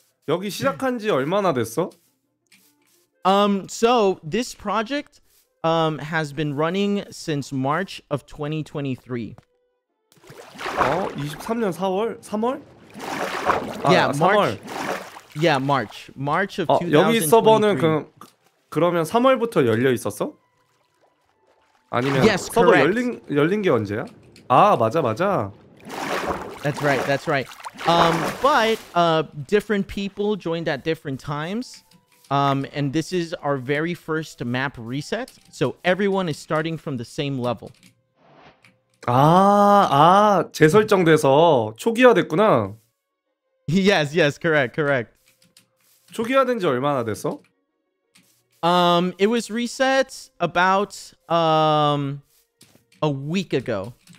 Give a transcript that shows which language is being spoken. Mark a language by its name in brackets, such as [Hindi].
[Korean] 여기 시작한지 얼마나 됐어? [English] So this project has been running since March of 2023. [Korean] Oh, 23년 4월? 3월? [English] Yeah, March. 3월. Yeah, March. March of 2023. [Korean] 여기 서버는 그러면 3월부터 열려 있었어? 아니면 [English] yes, [Korean] 서버 [English] correct. [Korean] 열린 게 언제야? 아, 맞아. [English] That's right. Different people joined at different times. And this is our very first map reset. So everyone is starting from the same level. [Korean] 아, 재설정돼서 초기화 됐구나. [English] Yes, correct. [Korean] 초기화된 지 얼마나 됐어? [English] It was reset about a week ago.